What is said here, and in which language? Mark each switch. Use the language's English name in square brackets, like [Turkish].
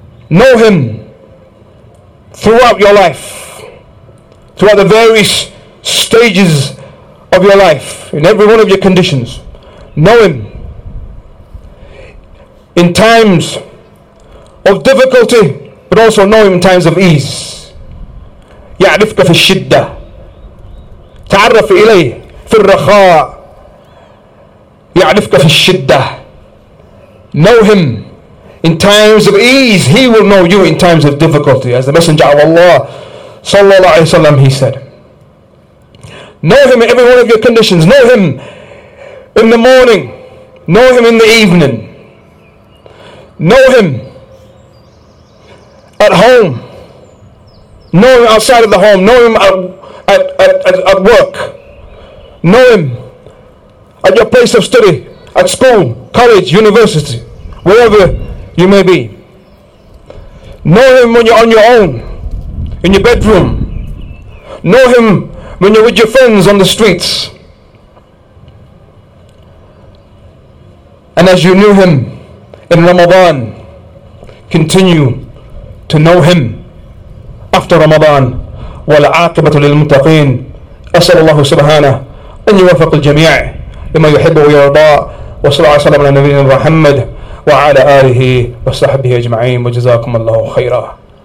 [English] Know him throughout your life, throughout the various stages of your life, in every one of your conditions. Know him. In times of difficulty, but also know him in times of ease. [Arabic] يعرفك في الشدة تعرف إليه في الرخاء يعرفك في الشدة. [English] Know him in times of ease. He will know you in times of difficulty. As the Messenger of Allah sallallahu alayhi wa sallam, he said. Know him in every one of your conditions. Know him in the morning. Know him in the evening. Know him at home. Know him outside of the home. Know him at work. Know him at your place of study, at school, college, university, wherever you may be. Know him when you're on your own, in your bedroom. Know him when you're with your friends on the streets. And as you knew him in Ramadan, continue to know him after Ramadan. [Arabic] والعاقبة للمتقين. أسأل الله سبحانه أن يوفق الجميع لما يحب ويرضى. وصلى الله وسلم على نبينا محمد وعلى آله وصحبه أجمعين. وجزاكم الله خيرا.